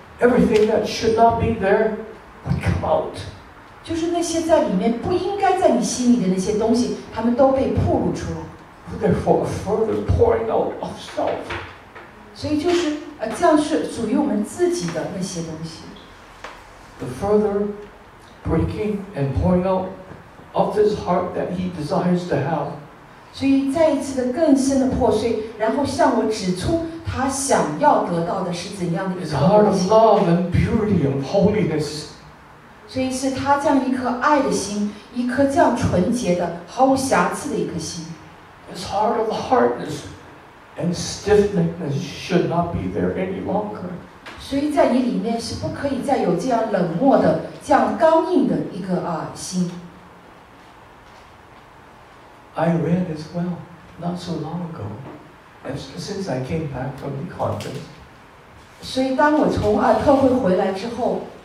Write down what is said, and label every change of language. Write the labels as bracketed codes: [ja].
[en] ，everything that should not be there. Come out. [zh] 就是那些在里面不应该在你心里的那些东西，他们都被暴露出来。 [en] Therefore, further pouring out of self. [zh] 所以就是这样是属于我们自己的那些东西。 [en] The further breaking and pouring out of this heart that he desires to have. [zh] 所以再一次的更深的破碎，然后向我指出他想要得到的是怎样的一个东西。 [en] His heart of love and purity and holiness. [zh] 所以是他这样一颗爱的心，一颗这样纯洁的、毫无瑕疵的一颗心。 [en] His heart of hardness and stiffness should not be there any longer. [zh] 所以在你里面是不可以再有这样冷漠的、这样刚硬的一个心。 [en] I read as well, not so long ago, and since I came back from the conference. [zh] 所以当我从特会回来之后。